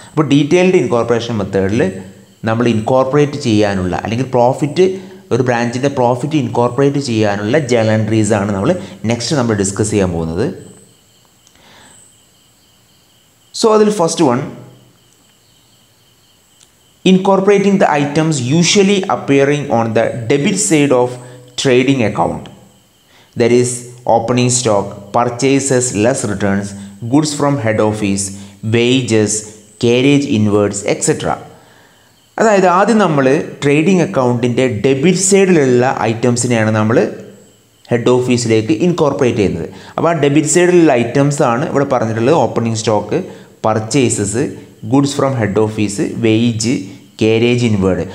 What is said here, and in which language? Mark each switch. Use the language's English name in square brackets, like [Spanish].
[Malayalam] അപ്പോൾ detailed incorporation മെത്തേഡിൽ നമ്മൾ ഇൻകോർപ്പറേറ്റ് ചെയ്യാനുള്ള അല്ലെങ്കിൽ പ്രോഫിറ്റ്, ഒരു ബ്രാഞ്ചിൻ്റെ പ്രോഫിറ്റ് ഇൻകോർപ്പറേറ്റ് ചെയ്യാനുള്ള ജേണൽ എൻട്രീസ് ആണ് നമ്മൾ നെക്സ്റ്റ് നമ്മൾ ഡിസ്കസ് ചെയ്യാൻ പോകുന്നത്. [English] So അതിൽ first one incorporating the items usually appearing on the debit side of trading account. That is opening stock, purchases, less returns, goods from head office, wages, carriage inwards, etc. [Malayalam] അതായത് ആദ്യം നമ്മൾ trading അക്കൗണ്ടിൻ്റെ debit സൈഡിലുള്ള ഐറ്റംസിനെയാണ് നമ്മൾ head ഓഫീസിലേക്ക് incorporate ചെയ്യുന്നത്. അപ്പോൾ ആ ഡെബിറ്റ് സൈഡിലുള്ള ഐറ്റംസ് ആണ് ഇവിടെ പറഞ്ഞിട്ടുള്ളത്. Opening stock, purchases, goods from head office, wage, carriage inward.